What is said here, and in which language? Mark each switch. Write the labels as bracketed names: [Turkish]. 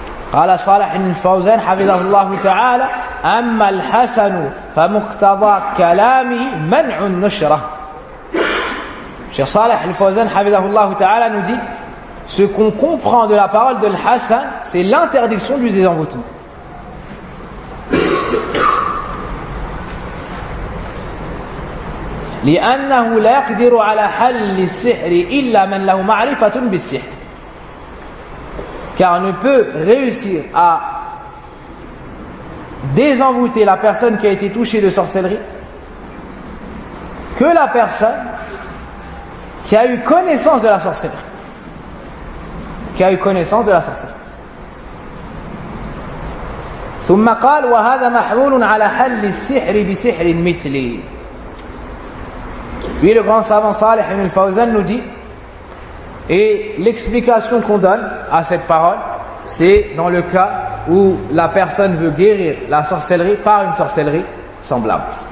[Arabic] قال صالح الفوزان حفظه الله تعالى أما الحسن فمقتضى كلامه منع النشرة. [French] صالح الفوزان [Arabic] حفظه الله تعالى [French] nous dit, ce qu'on comprend de la parole de l'Hassan, c'est l'interdiction du désenvoûtement. [Arabic] لأنه لا يقدر على حل السحر إلا من له معرفة بالسحر. [French] Car on ne peut réussir à désenvoûter la personne qui a été touchée de sorcellerie que la personne qui a eu connaissance de la sorcellerie. Qui a eu connaissance de la sorcellerie. [Arabic] ثم قال وهذا محمول على حل السحر بسحر مثلي. [French] Puis le grand savant Salih ibn al-Fawzan nous dit, et l'explication qu'on donne à cette parole, c'est dans le cas où la personne veut guérir la sorcellerie par une sorcellerie semblable.